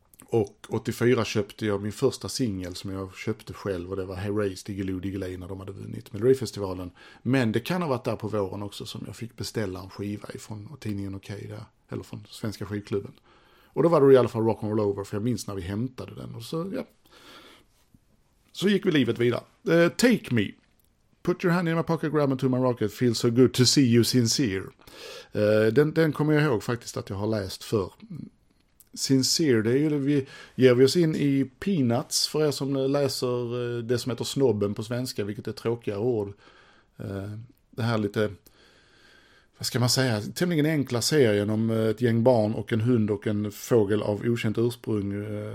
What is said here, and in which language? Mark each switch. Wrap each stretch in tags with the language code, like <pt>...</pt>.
<sv>Och 84 köpte jag min första singel som jag köpte själv, och det var Herace, Diggiloo, Diggiley när de hade vunnit Melodifestivalen. Men det kan ha varit där på våren också som jag fick beställa en skiva från tidningen Okej där, eller från Svenska Skivklubben. Och då var det i alla fall Rock'n'Roll Over, för jag minns när vi hämtade den. Och så, ja. Så gick vi livet vidare. Take Me.</sv> <en>Put your hand in my pocket, grab into my rocket, feel so good to see you sincere.</en> <sv>Den kommer jag ihåg faktiskt att jag har läst för. Sincere, det är ju det vi ger vi oss in i Peanuts, för er som läser det som heter snobben på svenska, vilket är tråkiga ord. Det här lite, vad ska man säga, tämligen enkla serien om ett gäng barn och en hund och en fågel av okänt ursprung.</sv>